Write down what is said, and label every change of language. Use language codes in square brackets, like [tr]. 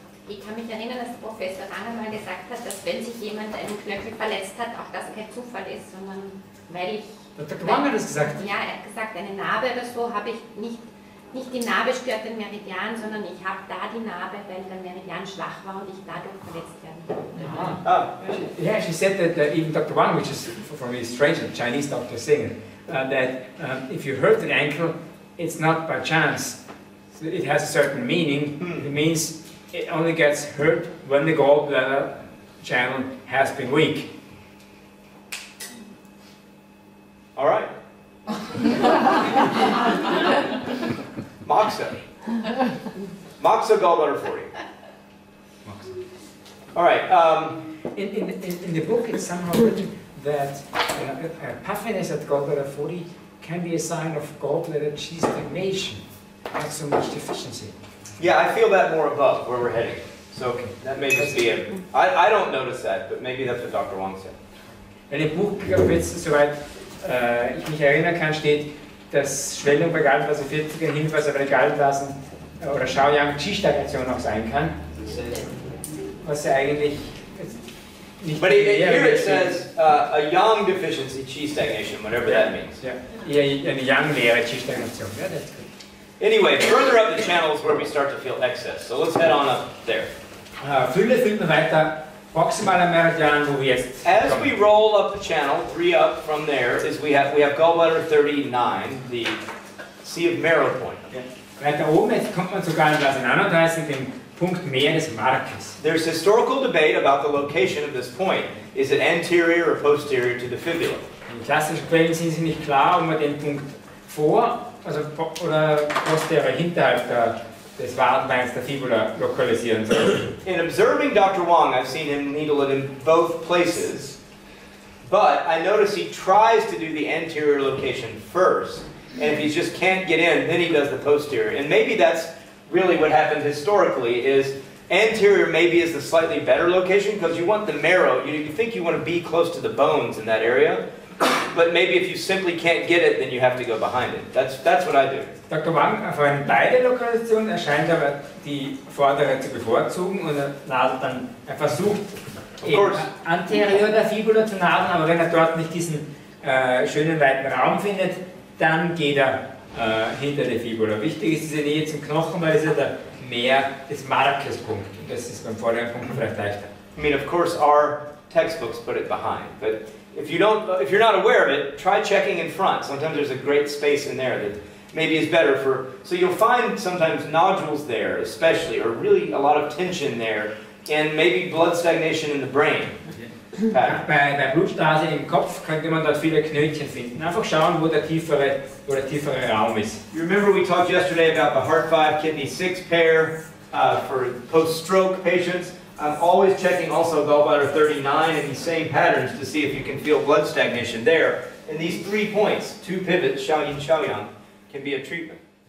[de] Ich kann mich erinnern, dass Professor Wang einmal gesagt hat, dass wenn sich jemand einen Knöchel verletzt hat, auch das kein Zufall ist, sondern weil ich... Dr. Wang hat das gesagt? Ja, er hat gesagt, eine Narbe oder so habe ich nicht, nicht die Narbe stört den Meridian, sondern ich habe da die Narbe, weil der Meridian schwach war und ich dadurch verletzt werden konnte. Ja, [en] she said that even Dr. Wang, which is for me strange, a Chinese doctor saying, that if you hurt an ankle, it's not by chance. So it has a certain meaning. It means... It only gets hurt when the gallbladder channel has been weak. All right. Moxa. Moxa gallbladder 40. Moxa. All right. In the book, it's somehow written that puffiness at gallbladder 40 can be a sign of gallbladder chi stagnation, not so much deficiency. Yeah, I feel that more above where we're heading. So okay. That may just be it. I don't notice that, but maybe that's what Dr. Wang said. [de] In dem Buch, soweit ich mich erinnern kann, steht, dass Schwellung bei Gallenblase 40 ein Hinweis auf eine Gallenblasen- oder Xiaoyang-Qi-Stagnation auch sein kann. Was ja eigentlich nicht. [en] But here it says a Yang deficiency Qi-Stagnation, whatever that means. [de] Yeah, eine Yang-leere Qi-Stagnation. [en] Yeah, that's good. Anyway, further up the channel is where we start to feel excess. So let's head on up there. [de] Fülle finden wir weiter, proximal am Meridian, wo wir jetzt. [en] As we roll up the channel, three up from there, is we have gallbladder 39, the Sea of Marrow point. [de] Weiter oben, jetzt kommt man zu Gallenblase 39, dem Punkt Meer des Markes. [en] There's historical debate about the location of this point. Is it anterior or posterior to the fibula? [de] In klassischen Quellen sind sie nicht klar, ob man den Punkt vor. Also oder posterior hinterhalb der, des Wadenbeins der Fibula lokalisieren soll. [en] In observing Dr. Wang, I've seen him needle it in both places, but I notice he tries to do the anterior location first, and if he just can't get in, then he does the posterior. And maybe that's really what happened historically, is anterior maybe is the slightly better location, because you want the marrow, you think you want to be close to the bones in that area. But maybe if you simply can't get it, then you have to go behind it. That's what I do. [de] Dr. Wang, auf einen beide Lokalisationen erscheint aber die vordere zu bevorzugen und er nadelt dann, er versucht anterior der Fibula zu nadeln, aber wenn er dort nicht diesen schönen weiten Raum findet, dann geht er hinter der Fibula. Wichtig ist diese Nähe zum Knochen, weil es ja der Mehr des Markes Punkt. Und das ist beim vorderen Punkt vielleicht leichter. [en] I mean, of course, our textbooks put it behind, but if you're not aware of it, try checking in front. Sometimes there's a great space in there that maybe is better for... So you'll find sometimes nodules there, especially, or really a lot of tension there, and maybe blood stagnation in the brain. [de] Bei Blutstase im Kopf könnte man dort viele Knötchen finden. Einfach schauen, wo der tiefere Raum ist. [en] You remember we talked yesterday about the heart 5, kidney 6 pair for post-stroke patients? I'm always checking also gallbladder 39 in the same patterns to see if you can feel blood stagnation there. And these three points, two pivots, Xiaoyin, Xiaoyang, can be a treatment.